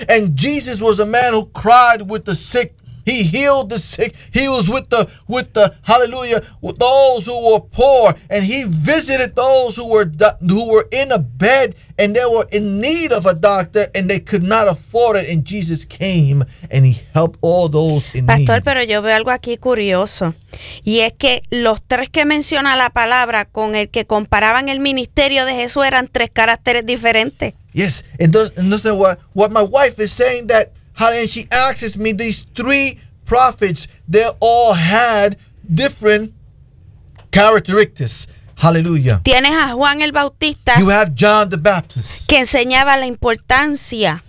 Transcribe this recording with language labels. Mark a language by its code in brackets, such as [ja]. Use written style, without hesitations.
[en] And Jesus was a man who cried with the sick. He healed the sick. He was with the hallelujah, with those who were poor, and he visited those who were in a bed and they were in need of a doctor and they could not afford it, and Jesus came and he helped all those in [es] Pastor, [en] need. [es] Pastor, pero yo veo algo aquí curioso, y es que los tres que menciona la palabra con el que comparaban el ministerio de Jesús eran tres caracteres diferentes. [en] Yes, [es] entonces [en] what my wife is saying that. And she asks me, these three prophets, they all had different characteristics. Hallelujah. [es] Tienes a Juan el Bautista. [en] You have John the Baptist. [es] Que enseñaba la importancia.